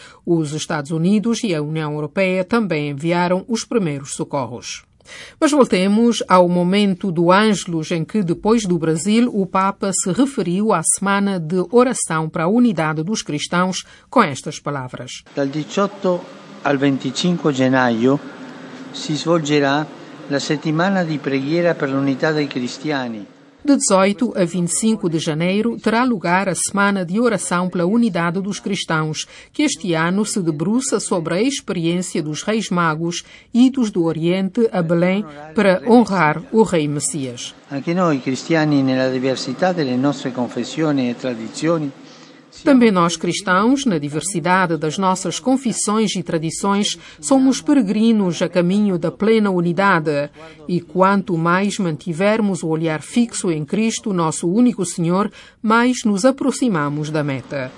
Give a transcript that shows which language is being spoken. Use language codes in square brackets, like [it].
[pt] Os Estados Unidos e a União Europeia também enviaram os primeiros socorros. Mas voltemos ao momento do Ângelus em que, depois do Brasil, o Papa se referiu à semana de oração para a unidade dos cristãos com estas palavras. [it] Al 25 gennaio si svolgerà la settimana di preghiera per l'unità dei cristiani. [pt] De 18 a 25 de janeiro terá lugar a Semana de Oração pela Unidade dos Cristãos, que este ano se debruça sobre a experiência dos Reis Magos idos do Oriente a Belém para honrar o Rei Messias. [it] Anche noi cristiani nella diversità delle nostre confessioni e tradizioni. [pt] Também nós cristãos, na diversidade das nossas confissões e tradições, somos peregrinos a caminho da plena unidade. E quanto mais mantivermos o olhar fixo em Cristo, nosso único Senhor, mais nos aproximamos da meta.